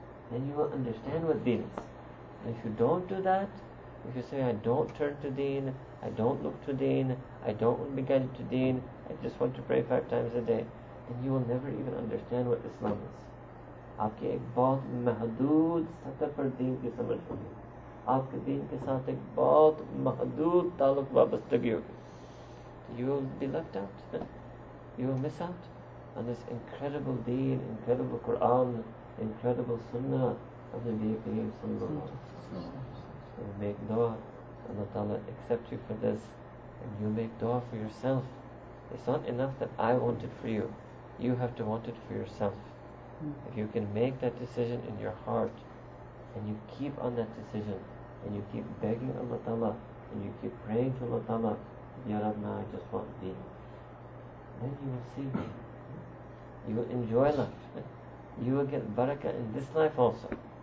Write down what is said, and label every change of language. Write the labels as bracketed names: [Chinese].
[English] Then you will understand what Deen is. And if you don't do that, if you say, I don't turn to Deen, I don't look to Deen, I don't want to be guided to Deen, I just want to pray 5 times a day, then you will never even understand what Islam is. [Hindi] Aapke ek bahut mehdood satah par Deen ki samajh hogi. आपके दीन के साथ एक बहुत महदूद ताल्लुक वाबस्तगी होगी. [English] You will be left out, you will miss out on this incredible दीन, incredible Quran, incredible सुन्ना of the Nabi Kareem sallallahu alayhi wa sallam. So make dua, Allah Ta'ala accept you for this, and you make dua for yourself. It's not enough that I want it for you, you have to want it for yourself. If you can make that decision in your heart, and you keep on that decision, and you keep begging Allah Ta'ala, and you keep praying to Allah Ta'ala, Ya Rabna, I just want thee, then you will see, you will enjoy life, you will get barakah in this life also.